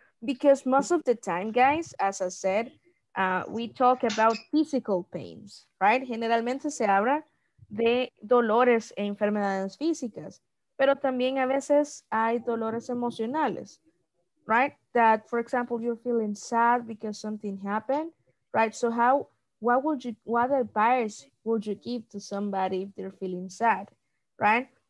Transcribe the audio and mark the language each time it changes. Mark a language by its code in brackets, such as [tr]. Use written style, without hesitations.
[en] Because most of the time, guys, as I said, we talk about physical pains, right? [es] Generalmente se habla de dolores e enfermedades físicas. Pero también a veces hay dolores emocionales. Right? [en] That, for example, you're feeling sad because something happened, right? So what advice would you give to somebody if they're feeling sad, right?